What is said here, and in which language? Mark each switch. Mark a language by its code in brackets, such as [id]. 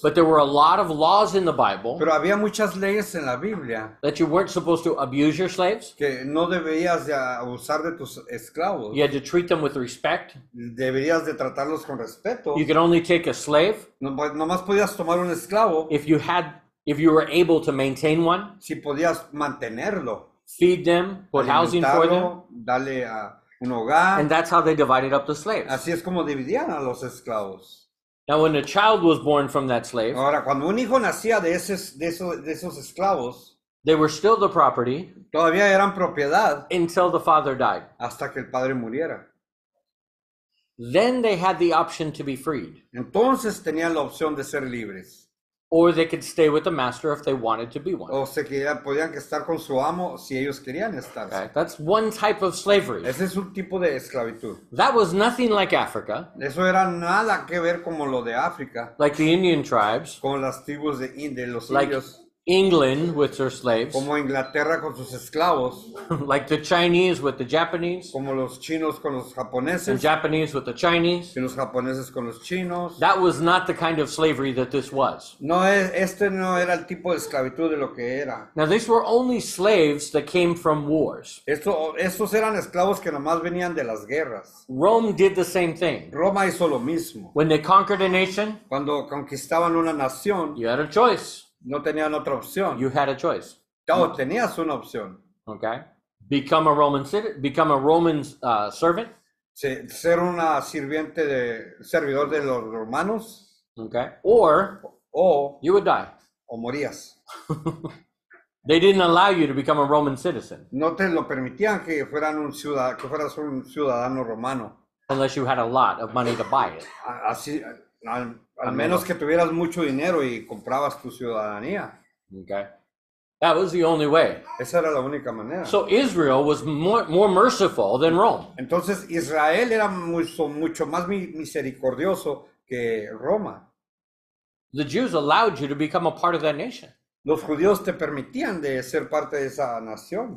[en] But there were a lot of laws in the Bible. [es] Pero había muchas leyes en la Biblia. [en] That you weren't supposed to abuse your slaves. [es] Que no deberías de abusar de tus esclavos. [en] You had to treat them with respect. [es] Deberías de tratarlos con respeto. [en] You could only take a slave. [es] Nomás podías tomar un esclavo. [en] If you were able to maintain one. [es] Si podías mantenerlo. [en] Feed them. Put housing for them. [es] Dale a un hogar. [en] And that's how they divided up the slaves. [es] Así es como dividían a los esclavos. [en] Now, when a child was born from that slave, [es] ahora, cuando un hijo nacía de esos esclavos, [en] they were still the property, [es] todavía eran propiedad, [en] until the father died. [es] Hasta que el padre muriera. [en] Then they had the option to be freed. [es] Entonces tenían la opción de ser libres. [en] Or they could stay with the master if they wanted to be one. [es] O se querían, podían estar con su amo si ellos querían estar. [en] Okay. That's one type of slavery. [es] Ese es un tipo de esclavitud. [en] That was nothing like Africa. [es] Eso era nada que ver como lo de África. [en] Like the Indian tribes. [es] Como las tribus de los [en] like [es] indios. [en] England with their slaves. [es] Como Inglaterra con sus esclavos. [en] Like the Chinese with the Japanese. [es] Como los chinos con los japoneses. [en] The Japanese with the Chinese. [es] Y los japoneses con los chinos. [en] That was not the kind of slavery that this was. [es] No, este no era el tipo de esclavitud de lo que era. [en] Now these were only slaves that came from wars. [es] Estos eran esclavos que nomás venían de las guerras. [en] Rome did the same thing. [es] Roma hizo lo mismo. [en] When they conquered a nation. [es] Cuando conquistaban una nación. [en] You had a choice. [es] No tenían otra opción. [en] You had a choice. [es] No, tenías una opción. [en] Okay. Become a Roman become a Roman servant. [es] Ser una sirviente de servidor de los romanos. [en] Okay. Or [es] o, [en] you would die. [es] O morías. [en] They didn't allow you to become a Roman citizen. [es] No te lo permitían que fueran un ciudad, que fueras un ciudadano romano. [en] Unless you had a lot of money to buy it. [es] Así, al menos que tuvieras mucho dinero y comprabas tu ciudadanía. [en] Okay. That was the only way. [es] Esa era la única manera. [en] So Israel was more merciful than Rome. [es] Entonces Israel era mucho más misericordioso que Roma. [en] The Jews allowed you to become a part of that nation. [es] Los judíos te permitían de ser parte de esa nación.